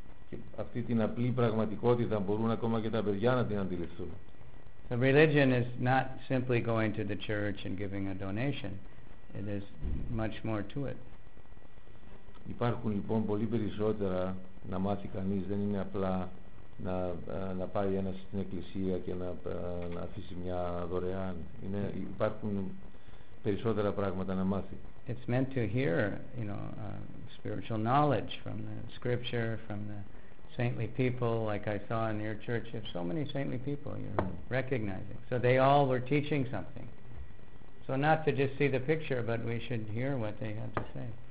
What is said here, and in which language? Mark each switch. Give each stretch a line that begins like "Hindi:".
Greek: Και αυτή την απλή πραγματικότητα μπορούν ακόμα και τα παιδιά να την αντιληφθούν.
English: The religion is not simply going to the church and giving a donation. It is much more to it.
Greek: Υπάρχουν λοιπόν πολύ περισσότερα να μάθει κανείς. Δεν είναι απλά να πάει ένας στην εκκλησία και να αφήσει μια δωρεάν. Υπάρχουν περισσότερα πράγματα να μάθει.
English: It's meant to hear, you know, spiritual knowledge from the scripture, from the saintly people, like I saw in your church. You have so many saintly people you're recognizing. So they all were teaching something. So not to just see the picture, but we should hear what they had to say.